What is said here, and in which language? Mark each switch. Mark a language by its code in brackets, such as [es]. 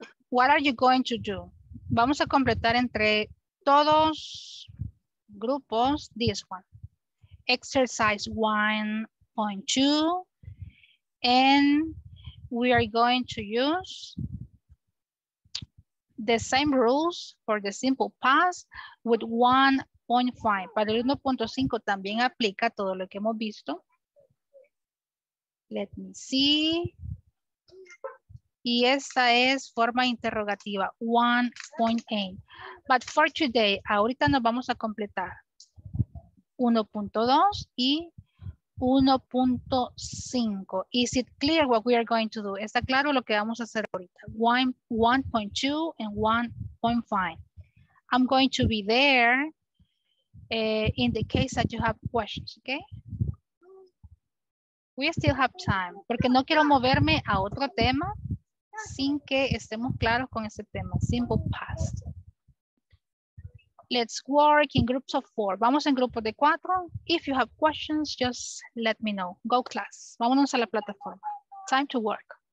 [en] What are you going to do? [es] Vamos a completar entre todos grupos [en] this one. Exercise 1.2. And we are going to use the same rules for the simple past with 1.5. [es] Para el 1.5 también aplica todo lo que hemos visto. [en] Let me see. [es] Y esta es forma interrogativa, 1.8. [en] But for today, [es] ahorita nos vamos a completar 1.2 y 1.5. [en] Is it clear what we are going to do? [es] ¿Está claro lo que vamos a hacer ahorita? [en] 1.2 and 1.5. I'm going to be there in the case that you have questions, okay? We still have time, [es] porque no quiero moverme a otro tema sin que estemos claros con ese tema, simple past. [en] Let's work in groups of four. [es] Vamos en grupo de cuatro. [en] If you have questions, just let me know. Go class. [es] Vámonos a la plataforma. [en] Time to work.